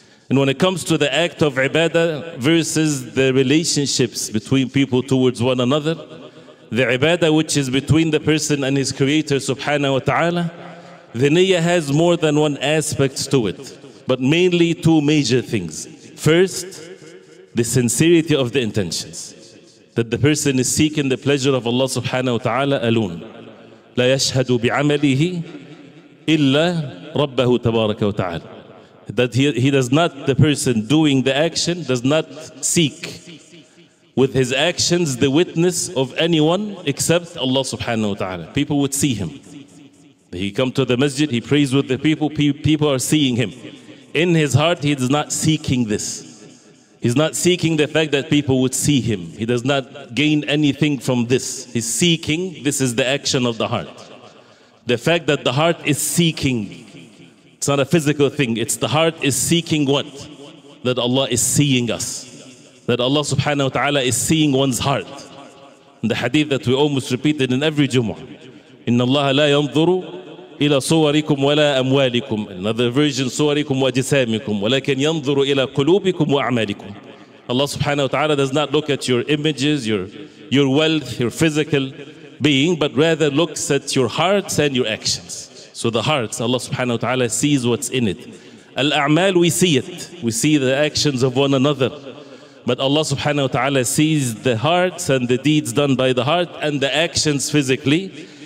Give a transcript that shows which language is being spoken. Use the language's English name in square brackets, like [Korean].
[English] And when it comes to the act of ibadah versus the relationships between people towards one another, the ibadah which is between the person and his creator subhanahu wa ta'ala, the niyyah has more than one aspect to it, but mainly two major things. First, the sincerity of the intentions, that the person is seeking the pleasure of Allah subhanahu wa ta'ala alone. [Arabic] لا يشهد بعمله إلا ربه تبارك وتعالى. [English] That he does not, the person doing the action does not seek with his actions the witness of anyone except Allah subhanahu wa ta'ala. People would see him. He come to the masjid, he prays with the people, people are seeing him. In his heart, he is not seeking this. He's not seeking the fact that people would see him. He does not gain anything from this. He's seeking, this is the action of the heart. The fact that the heart is seeking, it's not a physical thing. It's the heart is seeking what? That Allah is seeing us. That Allah subhanahu wa ta'ala is seeing one's heart. And the hadith that we almost repeated in every Jumu'ah. [Arabic] إِنَّ اللَّهَ لَا يَنْظُرُ إِلَى صُوَرِكُمْ وَلَا أَمْوَالِكُمْ. [English] Another version, [Arabic] صُوَرِكُمْ وَجِسَامِكُمْ وَلَكَنْ يَنْظُرُ إِلَى قُلُوبِكُمْ وَأَعْمَالِكُمْ. [English] Allah subhanahu wa ta'ala does not look at your images, your wealth, your physical being, but rather looks at your hearts and your actions. So the hearts, Allah subhanahu wa ta'ala sees what's in it. Al-A'mal, we see it. We see the actions of one another. But Allah subhanahu wa ta'ala sees the hearts and the deeds done by the heart and the actions physically.